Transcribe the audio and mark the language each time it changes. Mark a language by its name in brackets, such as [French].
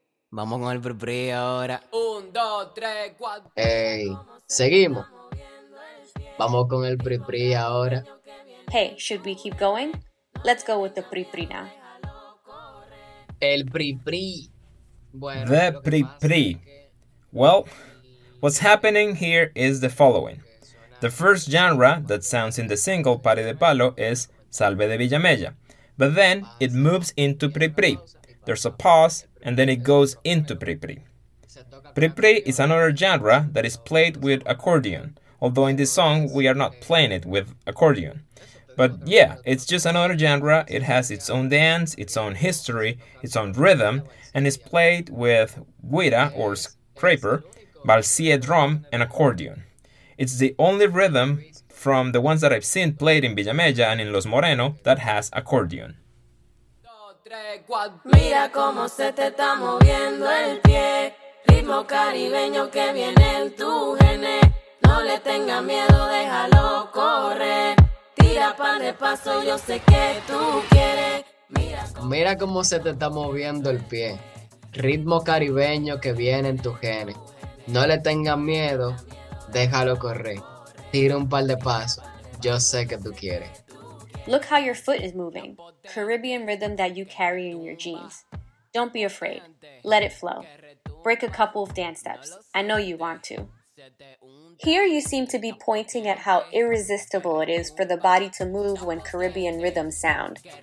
[Spanish] Vamos con el brebre ahora. Un, dos, tres, cuatro. Hey, seguimos. Vamos con el brebre ahora. [English] Hey, should we keep going? Let's go with the brebre now. [Spanish] El brebre. Bueno, [English] the brebre. Well, what's happening here is the following. The first genre that sounds in the single Party de Palo is Salve de Villamella. But then it moves into brebre. There's a pause, and then it goes into pri-pri. Pri-pri is another genre that is played with accordion, although in this song we are not playing it with accordion. But yeah, it's just another genre, it has its own dance, its own history, its own rhythm, and is played with güira or scraper, balsillo drum, and accordion. It's the only rhythm from the ones that I've seen played in Villamella and in Los Moreno that has accordion. [Spanish] Mira cómo se te está moviendo el pie, ritmo caribeño que viene en tu gene. No le tengas miedo, déjalo correr. Tira pa' de paso, yo sé que tú quieres. Mira cómo se te está moviendo el pie, ritmo caribeño que viene en tu gene. No le tengas miedo, déjalo correr. Tira un par de pasos, yo sé que tú quieres. [English] Look how your foot is moving. Caribbean rhythm that you carry in your jeans. Don't be afraid. Let it flow. Break a couple of dance steps. I know you want to. Here you seem to be pointing at how irresistible it is for the body to move when Caribbean rhythms sound.